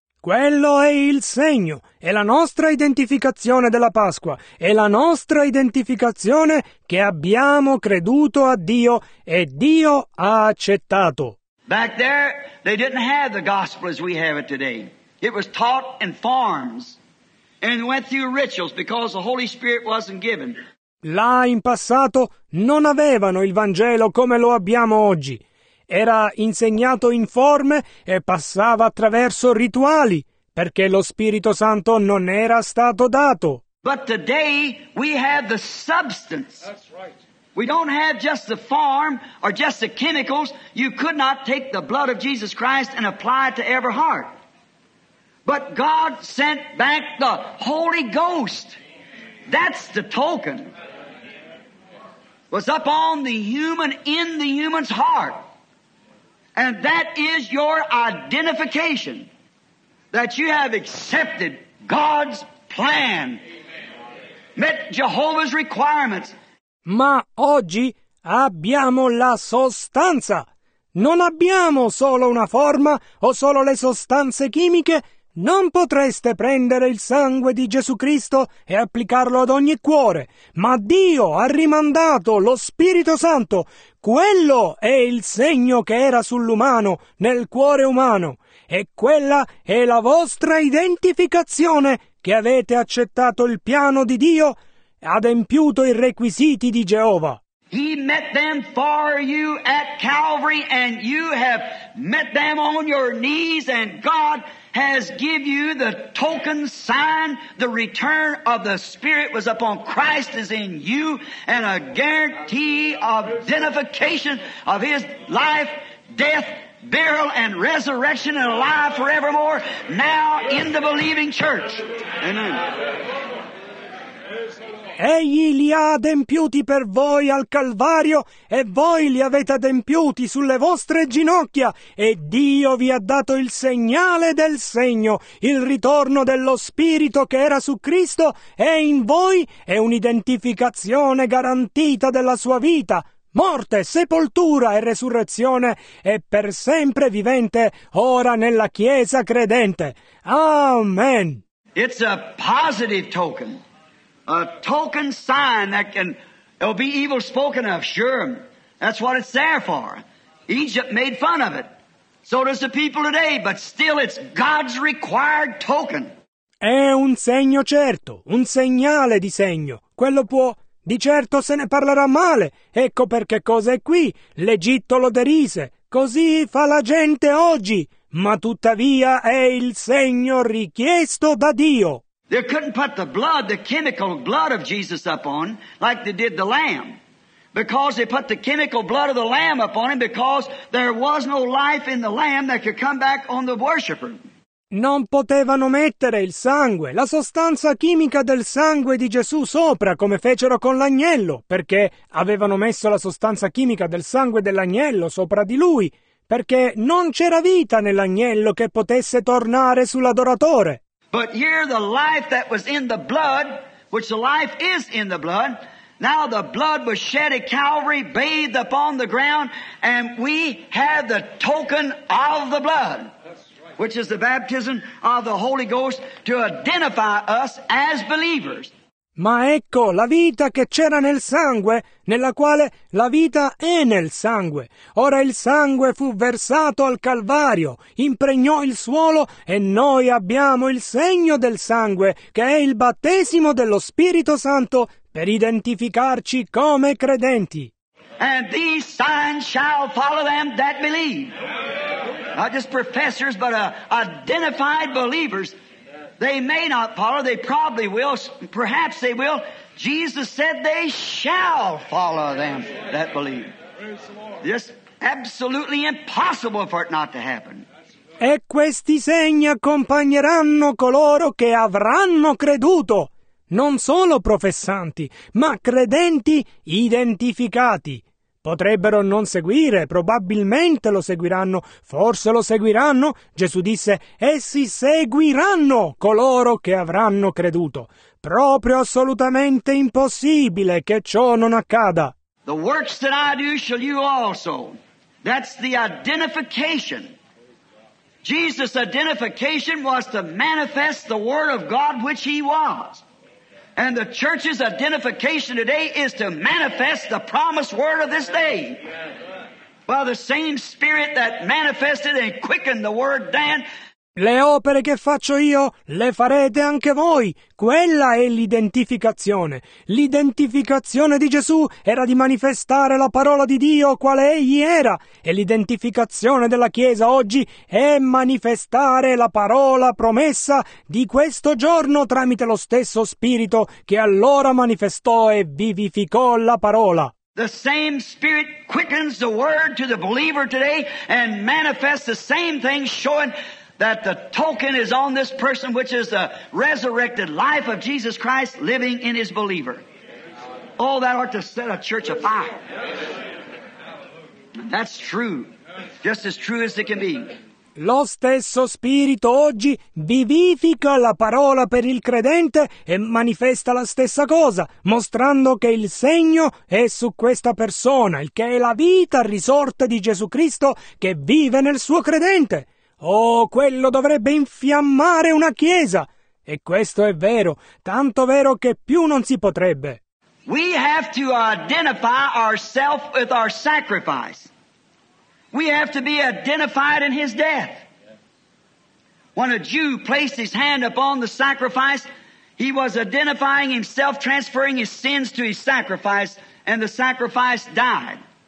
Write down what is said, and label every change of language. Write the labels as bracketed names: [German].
[Italian] Quello è il segno, è la nostra identificazione della Pasqua, è la nostra identificazione che abbiamo creduto a Dio e Dio ha accettato. [English] Back there they didn't have the gospel as we have it today. It was taught in farms and went through rituals because the Holy Spirit wasn't given. [Italian] Là in passato non avevano il Vangelo come lo abbiamo oggi. Era insegnato in forme e passava attraverso rituali, perché lo Spirito Santo non era stato dato. [English] But today we have the substance. That's right. We don't have just the form or just the chemicals. You could not take the blood of Jesus Christ and apply it to every heart. But God sent back the Holy Ghost. That's the token. Was upon the human, in the human's heart. And that is your identification, that you have accepted God's plan, met Jehovah's requirements. [Italian] Ma oggi abbiamo la sostanza. Non abbiamo solo una forma o solo le sostanze chimiche. Non potreste prendere il sangue di Gesù Cristo e applicarlo ad ogni cuore, ma Dio ha rimandato lo Spirito Santo. Quello è il segno che era sull'umano, nel cuore umano, e quella è la vostra identificazione che avete accettato il piano di Dio, adempiuto i requisiti di Geova. [English] He met them for you at Calvary, and you have met them on your knees, and God has given you the token sign, the return of the Spirit was upon Christ is in you, and a guarantee of identification of His life, death, burial, and resurrection, and alive forevermore, now in the believing church. Amen. [Italian] Egli li ha adempiuti per voi al Calvario e voi li avete adempiuti sulle vostre ginocchia e Dio vi ha dato il segnale del segno, il ritorno dello Spirito che era su Cristo e in voi è un'identificazione garantita della sua vita, morte, sepoltura e resurrezione è per sempre vivente ora nella Chiesa credente. Amen. [English] It's a positive token. A token sign that can it'll be evil spoken of, sure. That's what it's there for. Egypt made fun of it. So does the people today, but still it's God's required token. [Italian] È un segno certo, un segnale di segno. Quello può, di certo se ne parlerà male. Ecco perché cosa è qui. L'Egitto lo derise. Così fa la gente oggi. Ma tuttavia è il segno richiesto da Dio. [English] They couldn't put the blood, the chemical blood of Jesus up on like they did the lamb. Because they put the chemical blood of the lamb up on him because there was no life in the lamb that could come back on the worshiper. [Italian] Non potevano mettere il sangue, la sostanza chimica del sangue di Gesù sopra, come fecero con l'agnello, perché avevano messo la sostanza chimica del sangue dell'agnello sopra di lui, perché non c'era vita nell'agnello che potesse tornare sull'adoratore. [English] But here the life that was in the blood, which the life is in the blood, now the blood was shed at Calvary, bathed upon the ground, and we have the token of the blood. Which is the baptism of the Holy Ghost to identify us as believers. [Italian] Ma ecco la vita che c'era nel sangue, nella quale la vita è nel sangue. Ora il sangue fu versato al Calvario, impregnò il suolo e noi abbiamo il segno del sangue, che è il battesimo dello Spirito Santo, per identificarci come credenti. [English] And these signs shall follow them that believe. Not just professors, but identified believers. They may not follow, they probably will, perhaps they will. Jesus said they shall follow them that believe. This absolutely impossible for it not to happen. [Italian] E questi segni accompagneranno coloro che avranno creduto, non solo professanti, ma credenti identificati. Potrebbero non seguire, probabilmente lo seguiranno, forse lo seguiranno. Gesù disse, essi seguiranno coloro che avranno creduto. Proprio assolutamente impossibile che ciò non accada. [English] The works that I do shall you also. That's the identification. Jesus' identification was to manifest the word of God which he was. And the church's identification today is to manifest the promised word of this day. By the same spirit that manifested and quickened the word then. [Italian] Le opere che faccio io le farete anche voi. Quella è l'identificazione. L'identificazione di Gesù era di manifestare la parola di Dio quale egli era. E l'identificazione della Chiesa oggi è manifestare la parola promessa di questo giorno tramite lo stesso Spirito che allora manifestò e vivificò la parola. [English] The same Spirit quickens the word to the believer today and manifests the same thing showing that the token is on this person, which is the resurrected life of Jesus Christ living in his believer. Oh, that ought to set a church afire. That's true. Just as true as it can be. [Italian] Lo stesso Spirito oggi vivifica la parola per il credente e manifesta la stessa cosa, mostrando che il segno è su questa persona, il che è la vita risorta di Gesù Cristo che vive nel suo credente. Oh, quello dovrebbe infiammare una chiesa! E questo è vero, tanto vero che più non si potrebbe. [English] We have to identify ourselves with our sacrifice. We have to be identified in his death. When a Jew placed his hand upon the sacrifice, he was identifying himself, transferring his sins to his sacrifice, and the sacrifice died.